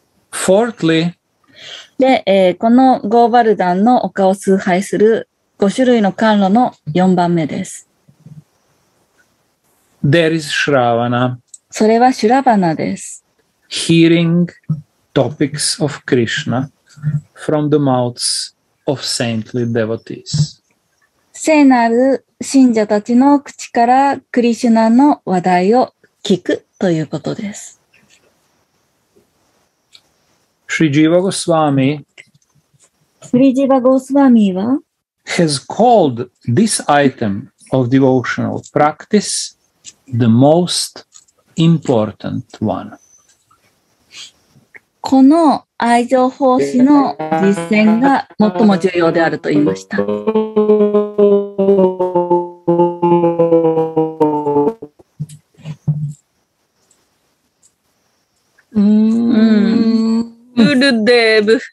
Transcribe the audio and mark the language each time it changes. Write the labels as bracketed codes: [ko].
[en] Fourthly, [ja] で、このゴーバルダンの丘を崇拝する5種類の甘露の4番目です。 [en] There is Shravana. [ja] それはシュラバナです。 [en] Hearing topics of Krishna from the mouths of saintly devotees. [ja] 聖なる信者たちの口からクリシュナの話題を聞くということです。 [en] Shri Jiva Goswami, [ja] Shri Jiva Goswami は, [en] has called this item of devotional practice the most important one. [ja] この愛情奉仕の実践が最も重要であると言いました。 Dev.